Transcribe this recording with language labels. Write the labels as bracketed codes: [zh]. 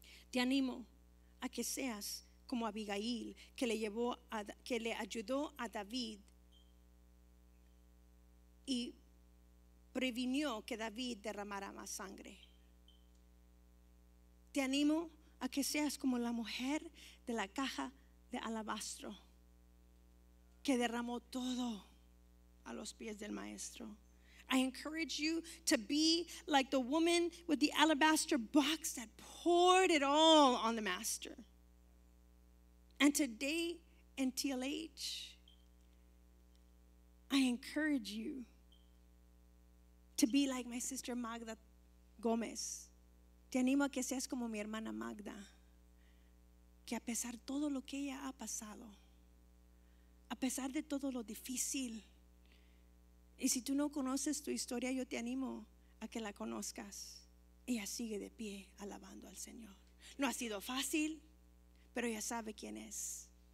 [es] Te animo a que seas como Abigail, que le ayudó a David y previnió que David derramara más sangre. Te animo a que seas como la mujer de la caja de alabastro, que derramó todo a los pies del maestro. [en] I encourage you to be like the woman with the alabaster box that poured it all on the master. And today in TLH, I encourage you to be like my sister Magda Gomez. [es] Te animo a que seas como mi hermana Magda, que a pesar de todo lo que ella ha pasado, a pesar de todo lo difícil, y si tú no conoces tu historia, yo te animo a que la conozcas. Ella sigue de pie alabando al Señor. No ha sido fácil, pero ella sabe quién es.